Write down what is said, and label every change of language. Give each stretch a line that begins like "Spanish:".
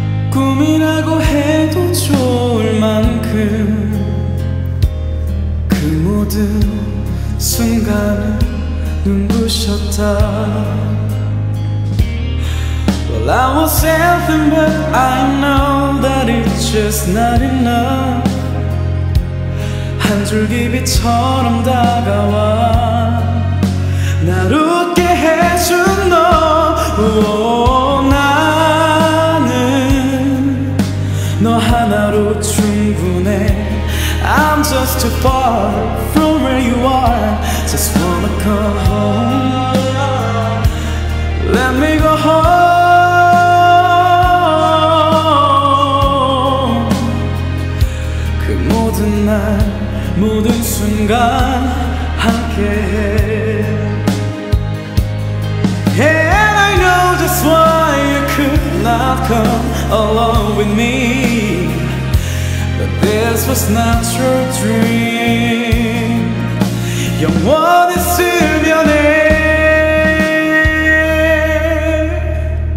Korean: 꿈이라고 해도 좋을 만큼 그 모든 순간은 눈부셨다.
English: Well, I was everything, but I know that it's just not enough.
Korean: 한 줄기 빛처럼 다가와 날 웃게 해준 너. Oh, 나는 너 하나로 충분해.
English: I'm just too far from where you are. Just wanna come home. Let me go home.
Korean: 그 모든 날 모든 순간 함께해.
English: And I know that's why you could not come along with me. But this was not your dream.
Korean: 영원히 수면해.